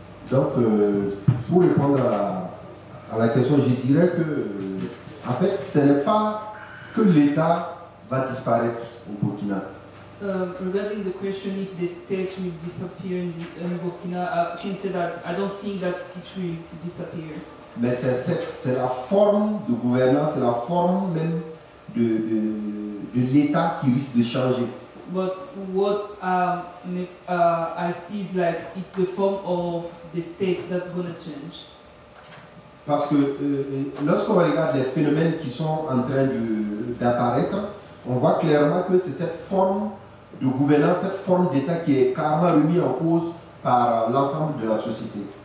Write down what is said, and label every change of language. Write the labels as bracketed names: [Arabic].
[French] Donc, pour répondre à la question, je dirais que, en fait, ce n'est pas que l'État va disparaître au Burkina. [English] Regarding the question if the state will disappear in Burkina, Chin said that I don't think that it will disappear. [French] Mais c'est la forme de gouvernance, c'est la forme même de l'État qui risque de changer. [English] But what I see is like it's the form of the states that's going to change. [French] Parce que lorsqu'on regarde les phénomènes qui sont en train d'apparaître, on voit clairement que c'est cette forme de gouvernance, cette forme d'État qui est carrément remise en cause par l'ensemble de la société.